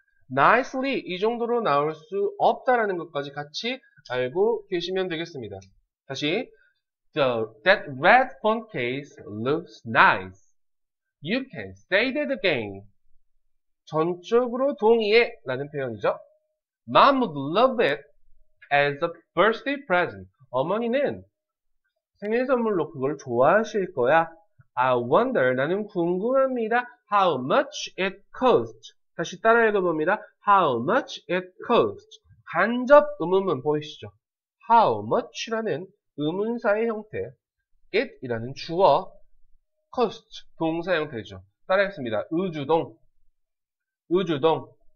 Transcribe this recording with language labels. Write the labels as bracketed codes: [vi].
[ko] nicely 이 정도로 나올 수 없다라는 것까지 같이 알고 계시면 되겠습니다. 다시 [en] that red phone case looks nice. You can say that again. [ko] 전적으로 동의해라는 표현이죠. [en] Mom would love it as a birthday present. [ko] 어머니는 생일 선물로 그걸 좋아하실 거야. [en] I wonder, [ko] 나는 궁금합니다. [en] How much it cost? [ko] 다시 따라 읽어봅니다. [en] How much it cost? [ko] 간접 의문문 보이시죠? How much라는 의문사의 형태, it이라는 주어, cost, 동사 형태죠. 따라 했습니다. 의주동. 의주동.